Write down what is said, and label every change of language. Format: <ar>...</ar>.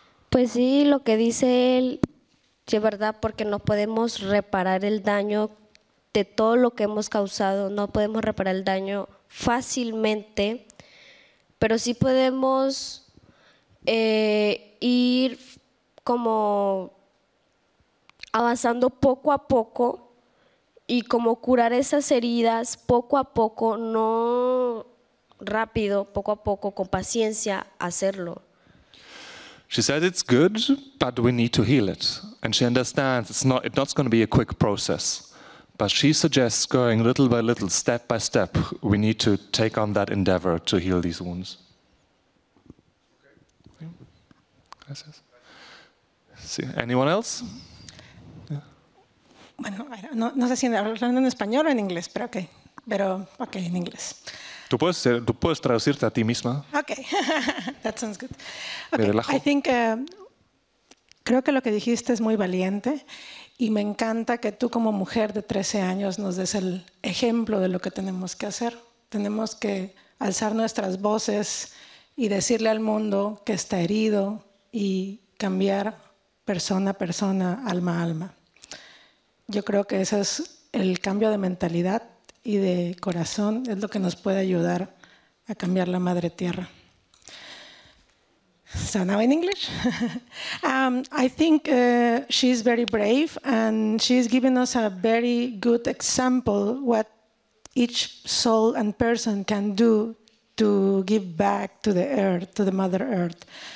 <es>Pues sí, lo que dice él, es verdad, porque no podemos reparar el daño de todo lo que hemos causado, no podemos reparar el daño fácilmente, pero sí podemos ir como avanzando poco a poco y como curar esas heridas poco a poco, no rápido, poco a poco, con paciencia, hacerlo.</es> <en>She said it's good, but we need to heal it. And she understands it's not going to be a quick process. But she suggests going little by little, step by step, we need to take on that endeavor to heal these wounds. Okay.</en> <es>Gracias. Sí.</es> <en>Anyone else? Yeah.</en> <es>Bueno, no sé si hablando en español o en inglés, pero okay. Pero okay, en inglés. Tú puedes traducirte a ti misma.</es> <en>Okay. That sounds good. Okay. I think</en> <es>creo que lo que dijiste es muy valiente. Y me encanta que tú como mujer de 13 años nos des el ejemplo de lo que tenemos que hacer. Tenemos que alzar nuestras voces y decirle al mundo que está herido y cambiar persona a persona, alma a alma. Yo creo que ese es el cambio de mentalidad y de corazón, es lo que nos puede ayudar a cambiar la madre tierra.</es> <en>So now in English, I think she's very brave and she's given us a very good example what each soul and person can do to give back to the earth, to the mother earth.</en>